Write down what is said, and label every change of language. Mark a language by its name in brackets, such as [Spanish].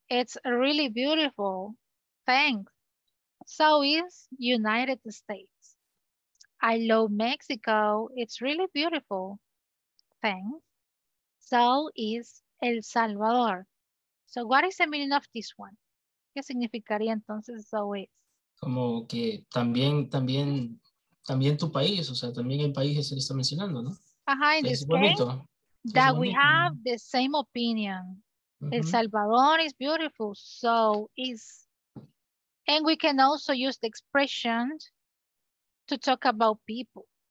[English] It's really beautiful. Thanks. So is United States. I love Mexico. It's really beautiful. Thanks. So is El Salvador. So what is the meaning of this one? [Spanish] ¿Qué significaría entonces so is? Como que también tu país, o sea, también el país se le está mencionando, ¿no? [English] Ajá, en this case, that we have the same opinion. Uh-huh. El Salvador is beautiful. So is. And we can also use the expression to talk about people.